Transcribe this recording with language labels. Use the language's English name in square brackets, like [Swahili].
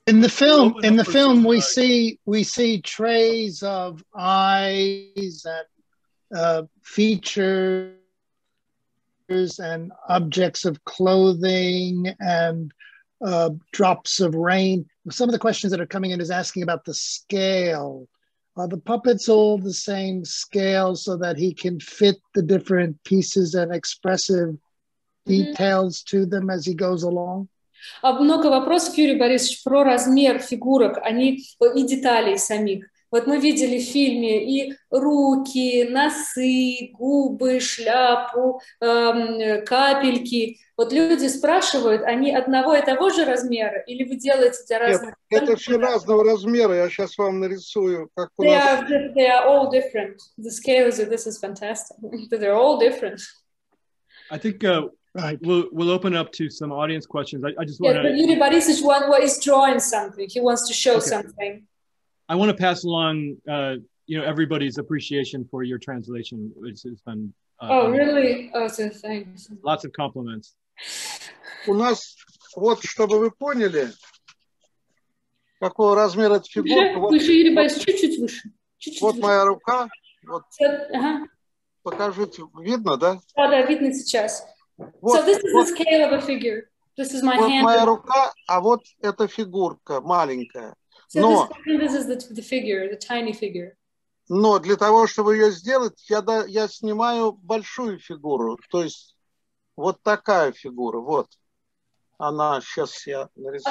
[English] in the film we see trays of eyes and features and objects of clothing and drops of rain. Some of the questions that are coming in is asking about the scale. Are the puppets all the same scale so that he can fit the different pieces and expressive details mm-hmm. to them as he goes along? [Russian] Много вопросов, Юрий Борисович, про размер фигурок, они и деталей самих. Вот мы видели в фильме и руки, носы, губы, шляпу, капельки. Вот люди спрашивают, они одного и того же размера, или вы делаете для разных? Нет, это все разного размера, я сейчас вам нарисую. Как [English] у they are all different. The scale is, this is fantastic. They're all different. I think... Right. We'll open up to some audience questions. I just want to... Yeah, Yuri Borisovich is drawing something. He wants to show something. I want to pass along, everybody's appreciation for your translation. It's been... really? Thanks. Lots of compliments. [Russian] У нас, вот, чтобы вы поняли, какого размера эта фигурка... Выше, Юрий Борисович, чуть-чуть выше. Чуть-чуть вот моя рука. Вот. Покажите. Видно, да? Да, видно сейчас. [English] Вот, so this is the scale of a figure. This is my [Russian] вот [English] hand. [Russian] Моя рука, а вот эта фигурка маленькая. [English] So [Russian] но, [English] this is the figure, the tiny figure. [Russian] Но для того, чтобы ее сделать, я снимаю большую фигуру. То есть вот такая фигура. Вот она сейчас я нарисую.